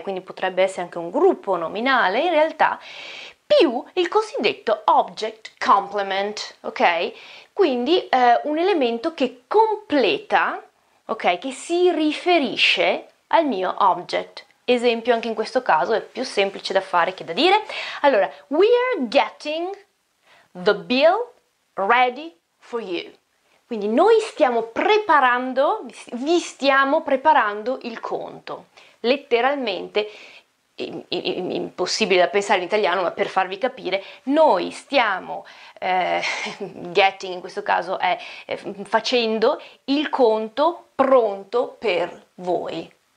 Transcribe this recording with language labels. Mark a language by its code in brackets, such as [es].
[it] Quindi potrebbe essere anche un gruppo nominale, in realtà, più il cosiddetto object complement, ok? Quindi un elemento che completa, ok? Che si riferisce al mio object. Esempio anche in questo caso è più semplice da fare che da dire. [en] Allora, we're getting the bill ready for you. [it] Quindi noi stiamo preparando, vi stiamo preparando il conto. Letteralmente, impossibile da pensare in italiano, ma per farvi capire, noi stiamo getting, in questo caso è facendo il conto pronto per voi.